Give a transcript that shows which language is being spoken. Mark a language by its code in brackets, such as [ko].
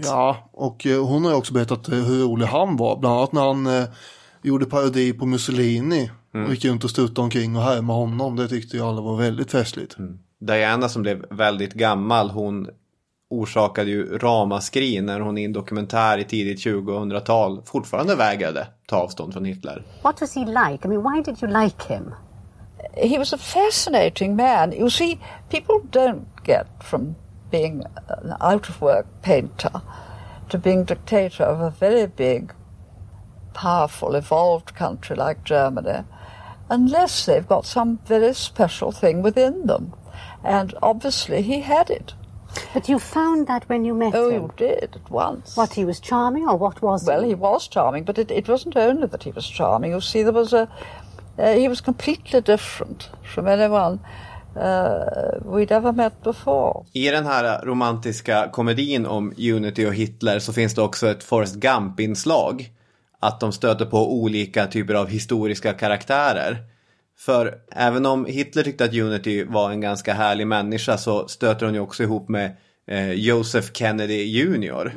[sv] Ja, och hon har ju också berättat hur rolig han var. Bland annat när han gjorde parodi på Mussolini. Mm. Och gick runt och stötte omkring och härma honom. Det tyckte ju alla var väldigt festligt. Mm. Diana som blev väldigt gammal, hon orsakade ju ramaskri när hon i en dokumentär i tidigt 2000-tal fortfarande vägrade ta avstånd från Hitler. [en] What was he like? I mean, why did you like him? He was a fascinating man. You see, people don't get from being an out-of-work painter to being dictator of a very big, powerful, evolved country like Germany, unless they've got some very special thing within them. And obviously he had it. But you found that when you met him? Oh, you did, at once. What, he was charming, or what was he? Well, he was charming, but it wasn't only that he was charming. You see, there was a... he was completely different from anyone we'd ever met before. [sv] I den här romantiska komedin om Unity och Hitler så finns det också ett Forrest Gump-inslag. Att de stöter på olika typer av historiska karaktärer. För även om Hitler tyckte att Unity var en ganska härlig människa så stöter hon ju också ihop med Joseph Kennedy Jr.